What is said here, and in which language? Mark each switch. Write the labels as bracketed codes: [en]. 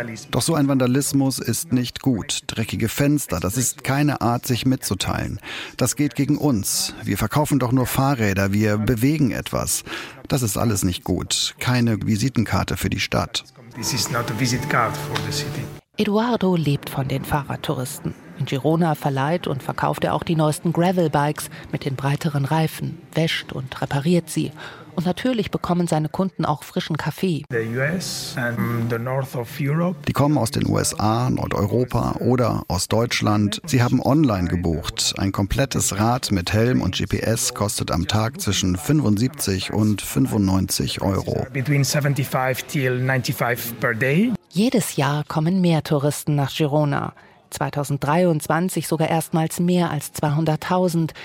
[de] Doch so ein Vandalismus ist nicht gut. Dreckige Fenster, das ist keine Art, sich mitzuteilen. Das geht gegen uns. Wir verkaufen doch nur Fahrräder, wir bewegen etwas. Das ist alles nicht gut. Keine Visitenkarte für die Stadt. [en] This is not a visit card for the city. [de] Eduardo lebt von den Fahrradtouristen. In Girona verleiht und verkauft er auch die neuesten Gravel-Bikes mit den breiteren Reifen, wäscht und repariert sie. Und natürlich bekommen seine Kunden auch frischen Kaffee. [en] The US and the north of Europe. [de] Die kommen aus den USA, Nordeuropa oder aus Deutschland. Sie haben online gebucht. Ein komplettes Rad mit Helm und GPS kostet am Tag zwischen 75 und 95 Euro. [en] Between 75 till 95 per day. [de] Jedes Jahr kommen mehr Touristen nach Girona. 2023 sogar erstmals mehr als 200.000.